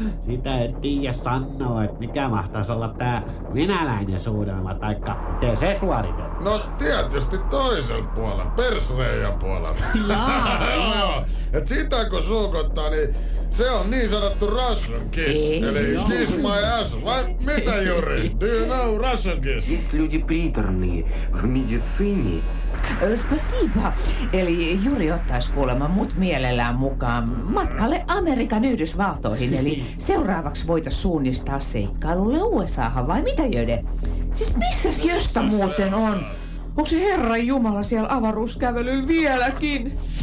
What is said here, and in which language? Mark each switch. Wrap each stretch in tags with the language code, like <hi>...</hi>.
<fi>Sitä en tiedä sanoa, että mikä mahtaisi olla tää venäläinen suudelma, taikka te se suoritetaan. No tietysti toisella puolella, persreijan puolella. Joo. Et sitä kun suukottaa, niin se on niin sanottu</fi> <en>Russian kiss,</en> <fi>eli joo.</fi> <en>Kiss my ass. Vai mitä Juri? Do you know Russian kiss?</en> <ru>Есть люди приторные в медицине. Спасибо.</ru> <fi>Eli Juri ottais kuulemma mut mielellään mukaan matkalle Amerikan Yhdysvaltoihin. Eli seuraavaksi voitais suunnistaa seikkailulle USAhan, vai mitä Jöde? Siis missäs Jöstä muuten on? Onko se Herran Jumala siellä avaruuskävelyllä vieläkin?</fi>